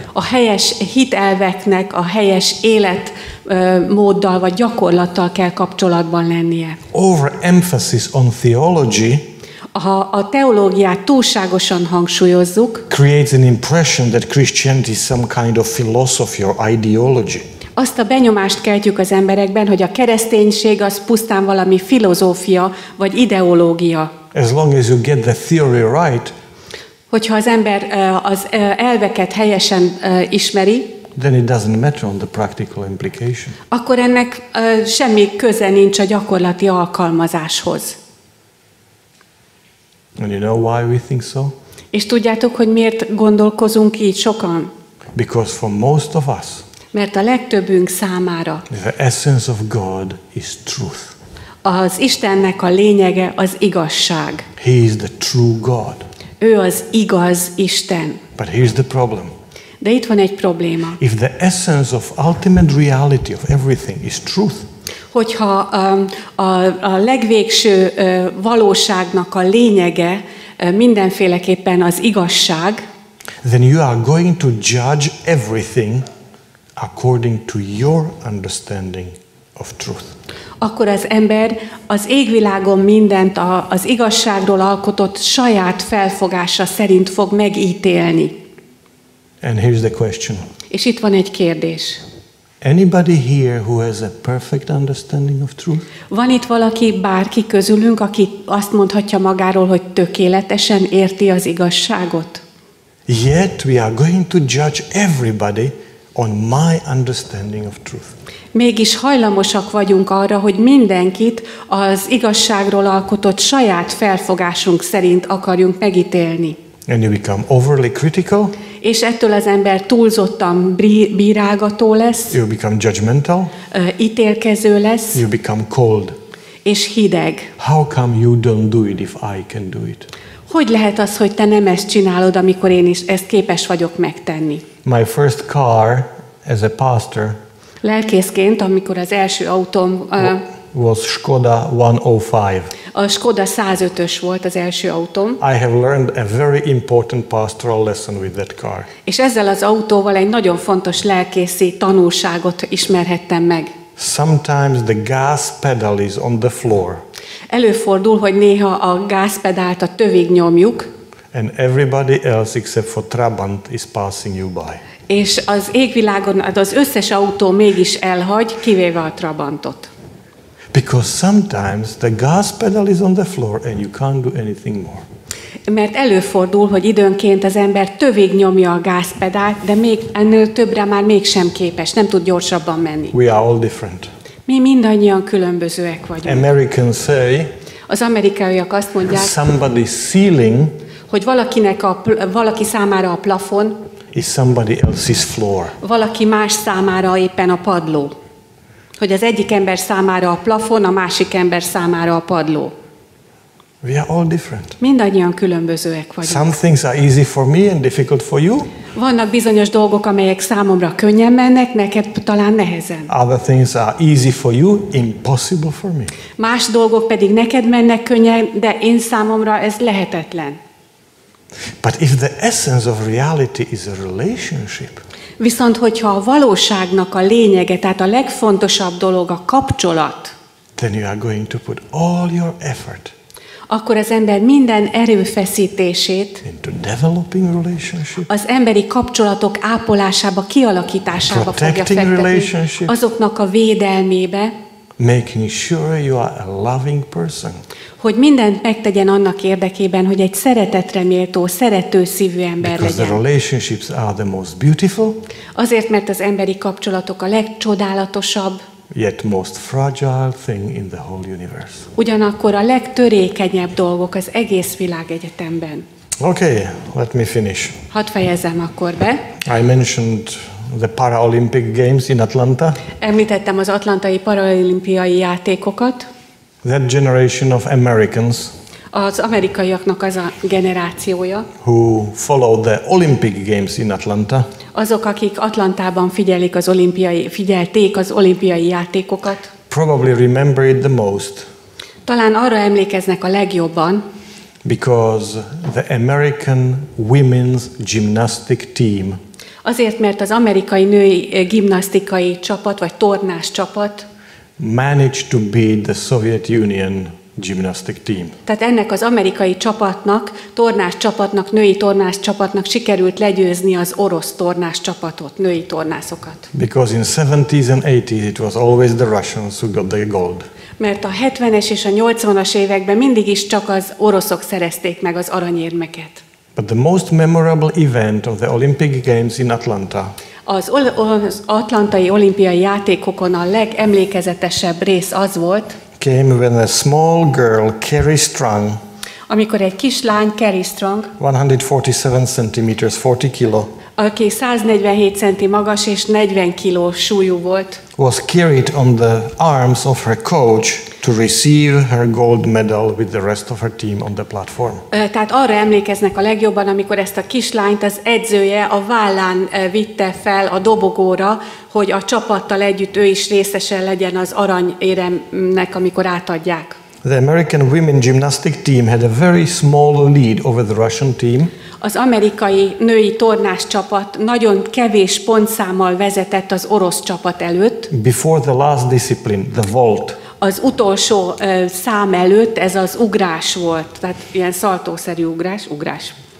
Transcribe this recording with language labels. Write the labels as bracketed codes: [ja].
[hu] A helyes hitelveknek a helyes életmóddal vagy gyakorlattal kell kapcsolatban lennie. [en] Overemphasis on theology. [hu] Ha a teológiát túlságosan hangsúlyozzuk, [en] creates an impression that Christianity is some kind of philosophy or ideology. [hu] Azt a benyomást keltjük az emberekben, hogy a kereszténység az pusztán valami filozófia vagy ideológia. [en] As long as you get the theory right, [hu] hogyha az ember az elveket helyesen ismeri, [en] then it doesn't matter on the practical implication. [hu] Akkor ennek semmi köze nincs a gyakorlati alkalmazáshoz. [en] And you know why we think so? [hu] És tudjátok, hogy miért gondolkozunk így sokan? [en] Because for most of us, [hu] mert a legtöbbünk számára [en] the essence of God is truth. [hu] Az Istennek a lényege az igazság. [en] He is the true God. [hu] Ő az igaz Isten. [en] But here's the problem. [hu] De itt van egy probléma. [en] If the essence of ultimate reality of everything is truth, [hu] hogyha a legvégső valóságnak a lényege mindenféleképpen az igazság, [en] then you are going to judge everything according to your understanding of truth. [hu] Akkor az ember az égvilágon mindent az igazságról alkotott saját felfogása szerint fog megítélni. [en] And here's the question. [hu] És itt van egy kérdés. [en] Anybody here who has a perfect understanding of truth? [hu] Van itt valaki, bárki közülünk, aki azt mondhatja magáról, hogy tökéletesen érti az igazságot? [en] Yet we are going to judge everybody on my understanding of truth. [hu] Mégis hajlamosak vagyunk arra, hogy mindenkit az igazságról alkotott saját felfogásunk szerint akarjunk megítélni. [en] And you become overly critical. [hu] És ettől az ember túlzottan bírálgató lesz. [en] You become judgmental. [hu] Ítélkező lesz. [en] You become cold. [hu] És hideg. [en] How come you don't do it if I can do it? [hu] Hogy lehet az, hogy te nem ezt csinálod, amikor én is ezt képes vagyok megtenni? [en] My first car as a pastor. [hu] Lelkészként, amikor az első autóm [en] was Skoda 105. [hu] A Skoda 105-ös volt az első autóm. [en] I have learned a very important pastoral lesson with that car. [hu] És ezzel az autóval egy nagyon fontos lelkészi tanulságot ismerhettem meg. [en] Sometimes the gas pedal is on the floor. [hu] Előfordul, hogy néha a gázpedált a tövig nyomjuk. [en] And everybody else except for Trabant is passing you by. [hu] És az égvilágon az összes autó mégis elhagy, kivéve a Trabantot. [en] Because sometimes the gas pedal is on the floor and you can't do anything more. [hu] Mert előfordul, hogy időnként az ember tövig nyomja a gázpedált, de még ennél többre már mégsem képes, nem tud gyorsabban menni. [en] We are all different. [hu] Mi mindannyian különbözőek vagyunk. [en] Americans say, [hu] az amerikaiak azt mondják, [en] somebody ceiling, [hu] hogy valakinek a valaki számára a plafon, [en] is somebody else's floor. [hu] Valaki más számára éppen a padló. Hogy az egyik ember számára a plafon, a másik ember számára a padló. [en] We are all different. [hu] Mindannyian különbözőek vagyunk. [en] Some things are easy for me and difficult for you. [hu] Vannak bizonyos dolgok, amelyek számomra könnyen mennek, neked talán nehezen. [en] Other things are easy for you, impossible for me. [hu] Más dolgok pedig neked mennek könnyen, de én számomra ez lehetetlen. [en] But if the essence of reality is a relationship. [hu] Viszont hogyha a valóságnak a lényege, tehát a legfontosabb dolog a kapcsolat. [en] Then you are going to put all your effort. [hu] Akkor az ember minden erőfeszítését [en] into developing relationship, [hu] az emberi kapcsolatok ápolásába, kialakításába [en] protecting [hu] fogja fektetni, azoknak a védelmébe, [en] making sure you are a loving person. [hu] Hogy mindent megtegyen annak érdekében, hogy egy szeretetre méltó, szerető szívű ember [en] because [hu] legyen. [en] The relationships are the most beautiful, [hu] azért, mert az emberi kapcsolatok a legcsodálatosabb, [en] yet most fragile thing in the whole universe. [hu] Ugyanakkor a legtörékenyebb dolgok az egész világegyetemben. [en] Okay, let me finish. [hu] Hadd fejezzem akkor be. [en] I mentioned the Paralympic Games in Atlanta. [hu] Említettem az atlantai paralimpiai játékokat. [en] That generation of Americans. [hu] Az amerikaiaknak az a generációja. [en] Who followed the Olympic Games in Atlanta. [hu] Azok, akik Atlantában figyelik az olimpiai, figyelték az olimpiai játékokat. [en] Probably remember it the most. [hu] Talán arra emlékeznek a legjobban. [en] Because the American women's gymnastic team. [hu] Azért, mert az amerikai női gimnasztikai csapat vagy tornás csapat [en] managed to beat the Soviet Union gymnastic team. [hu] Tehát ennek az amerikai csapatnak, tornás csapatnak, női tornás csapatnak sikerült legyőzni az orosz tornás csapatot, női tornászokat. [en] Because in 70s and 80s it was always the Russians who got the gold. [hu] Mert a 70-es és a 80-as években mindig is csak az oroszok szerezték meg az aranyérmeket. [en] But the most memorable event of the Olympic Games in Atlanta. [hu] Az atlantai olimpiai játékokon a legemlékezetesebb rész az volt. [en] Came when a small girl, Kerry Strong. [hu] Amikor egy kislány, Kerry Strong. [en] 147 centimeters, 40 kilo. [hu] Aki 147 centi magas és 40 kiló súlyú volt. [en] Was carried on the arms of her coach to receive her gold medal with the rest of her team on the platform. [hu] Tehát arra emlékeznek a legjobban, amikor ezt a kislányt az edzője a vállán vitte fel a dobogóra, hogy a csapattal együtt ő is részesen legyen az aranyéremnek, amikor átadják. [en] The American women gymnastic team had a very small lead over the Russian team. [hu] Az amerikai női tornás csapat nagyon kevés pontszámmal vezetett az orosz csapat előtt. [en] Before the last discipline, the vault. [hu] Az utolsó szám előtt ez az ugrás volt, tehát ilyen szaltószerű ugrás, ugrás.